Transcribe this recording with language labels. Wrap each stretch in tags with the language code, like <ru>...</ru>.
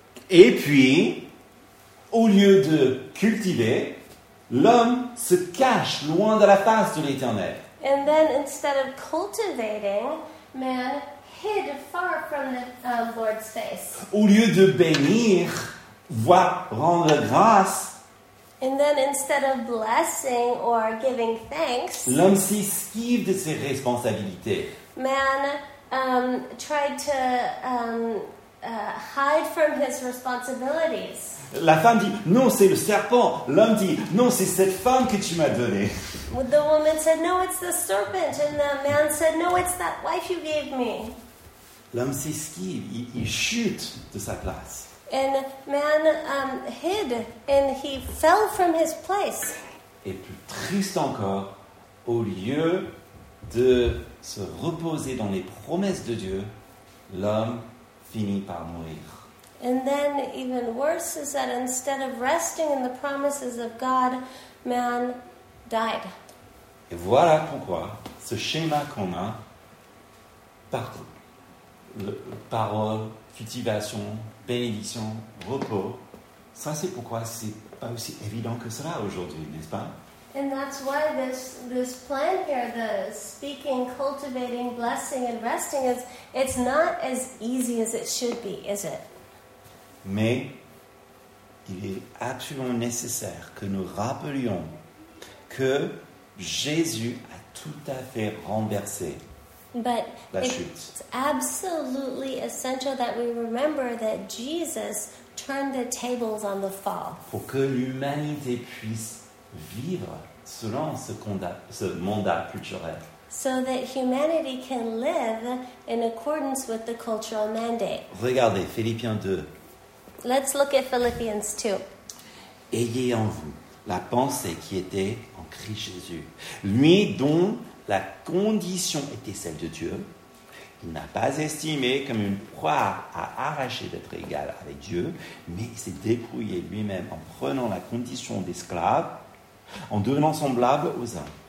<fr>Et puis, au lieu de cultiver, l'homme se cache loin de la face de l'Éternel.</fr> <en>And then instead of cultivating, man hid far from the Lord's face.</en> <fr>Au lieu de bénir, voire rendre grâce.</fr> <en>And then instead of blessing or giving thanks,</en> <fr>l'homme s'esquive de ses responsabilités.</fr> <en>Man tried to hide from his responsibilities.</en> <fr>La femme dit, non, c'est le serpent. L'homme dit, non, c'est cette femme que tu m'as donnée.</fr> <en>The woman said, no, it's the serpent. And the man said, no, it's that wife you gave me.</en> <fr>L'homme s'esquive, il chute de sa place.</fr> <en>And man hid, and he fell from his place.</en> <fr>Et plus triste encore, au lieu de se reposer dans les promesses de Dieu, l'homme finit par mourir.</fr> <en>And then even worse is that instead of resting in the promises of God, man died.</en> <fr>Et voilà pourquoi ce schéma qu'on a partout, parole, cultivation, bénédiction, repos, ça c'est pourquoi c'est pas aussi évident que cela aujourd'hui, n'est-ce pas?</fr> <en>And that's why this plan here, the speaking, cultivating, blessing and resting, it's not as easy as it should be, is it?</en> <fr>Mais il est absolument nécessaire que nous rappelions que Jésus a tout à fait renversé</fr> <en>But</en> <fr>la</fr> <en>it's</en> <fr>chute.</fr> <en>It's absolutely essential that we remember that Jesus turned the tables on the fall.</en> <fr>Pour que l'humanité puisse vivre selon ce mandat culturel.</fr> <en>So that humanity can live in accordance with the cultural mandate.</en> <fr>Regardez Philippiens 2.</fr> <en>Let's look at Philippians 2.</en> <fr>Ayez en vous la pensée qui était en Christ Jésus, lui dont la condition était celle de Dieu. Il n'a pas estimé comme une proie à arracher d'être égal avec Dieu, mais il s'est dépouillé lui-même en prenant la condition d'esclave, en devenant semblable aux hommes.</fr>